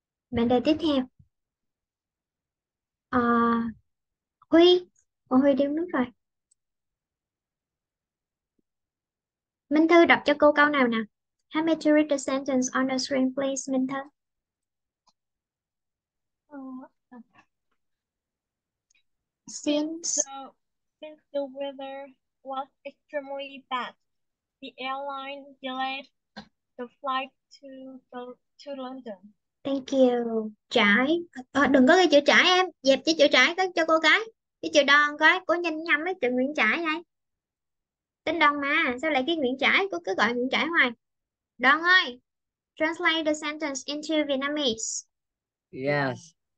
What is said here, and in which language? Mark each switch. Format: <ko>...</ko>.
<vi>Mệnh đề tiếp theo. Huy đi uống nước rồi. Minh Thư đọc cho cô câu nào nè.</vi> <en>Help me to read the sentence on the screen, please, Minh Thư. Since The weather was extremely bad, the airline delayed the flight to London. Thank you.</en> <vi>Trái. Đừng có ghi chữ trái em. Dẹp chữ trái cái cho cô cái. Cái chữ đòn cái. Cô nhìn nhầm với chữ Nguyễn Trãi đây. Tên đòn mà. Sao lại cái Nguyễn Trãi? Cô cứ gọi Nguyễn Trãi hoài. Đòn ơi.</vi> <en>Translate the sentence into Vietnamese. Yes.</en>